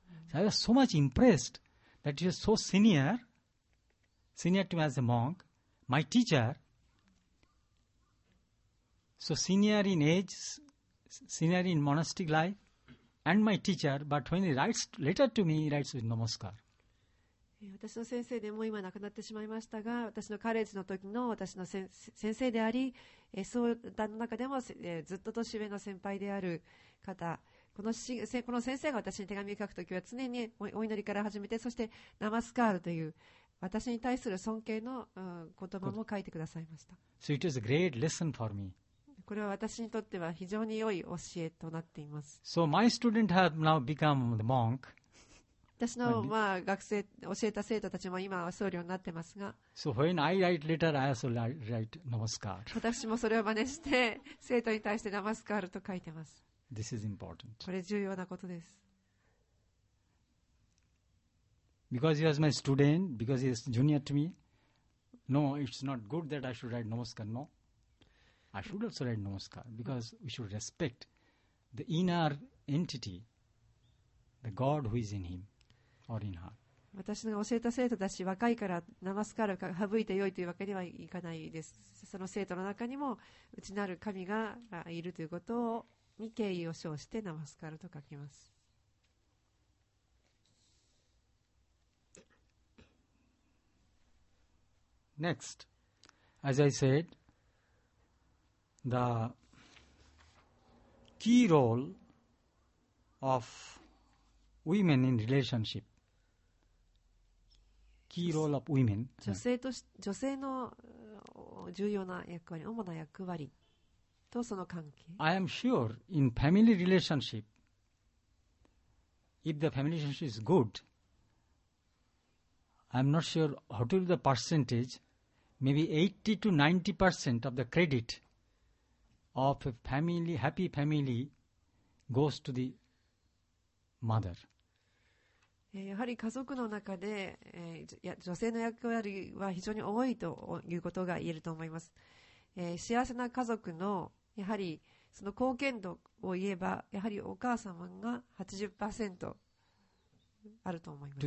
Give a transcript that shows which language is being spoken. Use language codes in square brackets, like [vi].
[en] So I was so much impressed that he was so senior to me as a monk, my teacher. So senior in age, senior in monastic life, and my teacher. But when he writes letter to me, he writes with namaskar. [ja] 私の先生でも今亡くなってしまいましたが、私のカレッジの時の私の先生であり、そうだの中でもずっと年上の先輩である方、この先生が私に手紙を書くときは常にお祈りから始めて、そしてナマスカールという私に対する尊敬の言葉も書いてくださいました。 [en] So it is a great lesson for me. [ja] これは私にとっては非常に良い教えとなっています。 [en] So my student has now become the monk. [ja] 私のまあ学生、教えた生徒たちも今は僧侶になってますが。 [en] So when I write letter, I also write namaskar. [ja] 私もそれを真似して生徒に対してナマスカールと書いてます。 [en] This is important. [ja] これ重要なことです。 [en] Because he was my student, because he is junior to me. No, it's not good that I should write namaskar, no. I should also write namaskar because we should respect the inner entity, the God who is in him or in her. [ja] 私が教えた生徒だし若いからナマスカールを省いてよいというわけにはいかないです。その生徒の中にも内なる神がいるということに敬意を称してナマスカールと書きます。 [en] Next, as I said,The key role of women in relationship. Key role of women. [ja] 女性の重要な役割、主な役割とその関係。 [en] I am sure in family relationship, if the family relationship is good, I'm not sure what will be the percentage, maybe 80 to 90% of the credit of a family, happy family, goes to the mother. [ja] やはり家族の中で、女性の役割は非常に多いということが言えると思います。幸せな家族のやはりその貢献度を言えば、やはりお母様が 80% あると思います。